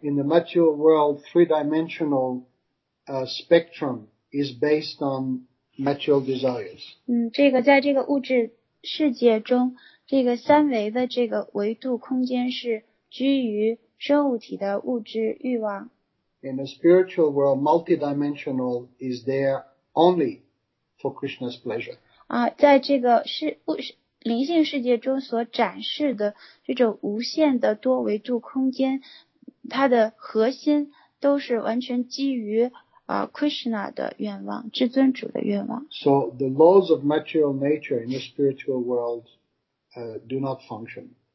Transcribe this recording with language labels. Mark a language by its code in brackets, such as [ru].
[en] In the material world, three-dimensional, spectrum is based on material desires. [zh] 这个在这个物质世界中这个三维的这个维度空间是基于生物体的物质欲望。 [en] In the spiritual world, multidimensional is there only for Krishna's pleasure. [zh] 在这个灵性世界中所展示的这种无限的多维度空间，它的核心都是完全基于Krishna 的愿望，至尊主的愿望。 [en] So the laws of material nature in the spiritual worlddo not function.